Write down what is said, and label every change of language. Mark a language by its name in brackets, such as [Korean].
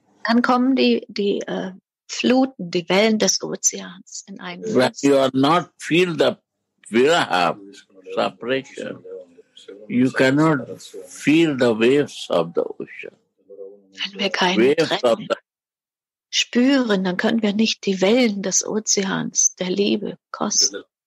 [German] Dann kommen die Fluten, die Wellen des Ozeans in einen Fluss. [English] When you are not feel the viraha separation, you cannot feel the waves of the ocean. [German] Wenn wir keine Trennung spüren, dann können wir nicht die Wellen des Ozeans der Liebe kosten.